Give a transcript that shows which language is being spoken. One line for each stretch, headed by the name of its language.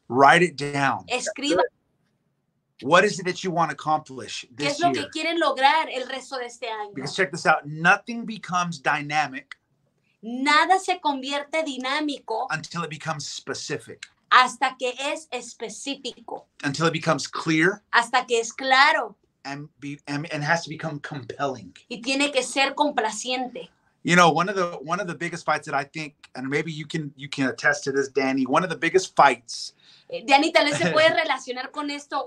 English: Write it down.
Spanish: Escriba.
English: What is it that you want to accomplish this
Spanish: es lo que quieren lograr el resto de este año?
English: Because check this out. Nothing becomes dynamic.
Spanish: Nada se convierte dinámico.
English: Until it becomes specific.
Spanish: Hasta que es específico.
English: Until it becomes clear.
Spanish: Hasta que es claro.
English: And has to become compelling.
Spanish: Y tiene que ser complaciente.
English: You know, one of the biggest fights that I think, and maybe you can attest to this, Danny. One of the biggest fights.
Spanish: Danny, tal vez se puede relacionar con esto.